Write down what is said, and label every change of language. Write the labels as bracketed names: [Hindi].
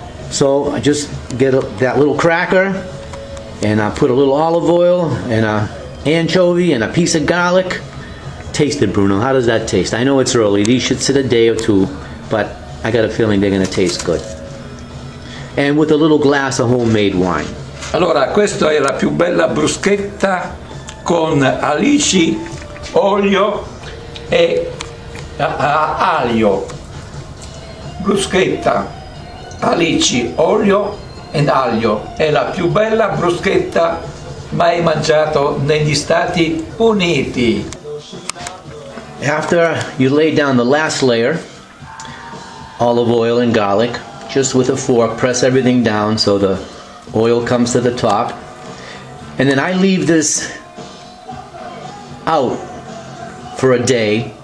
[English] So I just get that little cracker and I put a little olive oil and a anchovy and a piece of garlic. Taste it, Bruno. How does that taste? I know it's early. These should sit a day or two, but I got a feeling they're gonna taste good. And with a little glass of homemade wine. [Italian] Allora, questa è la più bella bruschetta con alici, olio e aglio. Bruschetta. Alici, olio e aglio. È la più bella bruschetta mai mangiato negli Stati Uniti. [English] After you lay down the last layer, olive oil and garlic, just with a fork, press everything down so the oil comes to the top. And then I leave this out for a day.